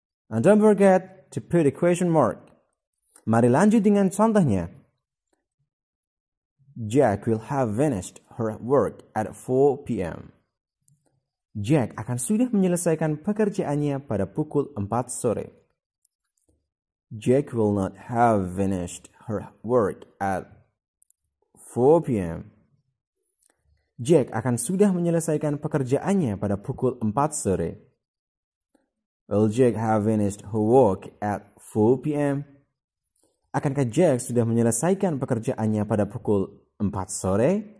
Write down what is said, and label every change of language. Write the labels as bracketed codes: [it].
[en] And don't forget to put a question mark. [id] Mari lanjut dengan contohnya. [en] Jack will have finished her work at 4 p.m. [id] Jack akan sudah menyelesaikan pekerjaannya pada pukul 4 sore. [en] Jack will not have finished her work at 4 p.m. [id] Jack akan sudah menyelesaikan pekerjaannya pada pukul 4 sore. [en] Will Jack have finished her work at 4 p.m.? [id] Akankah Jack sudah menyelesaikan pekerjaannya pada pukul 4 sore?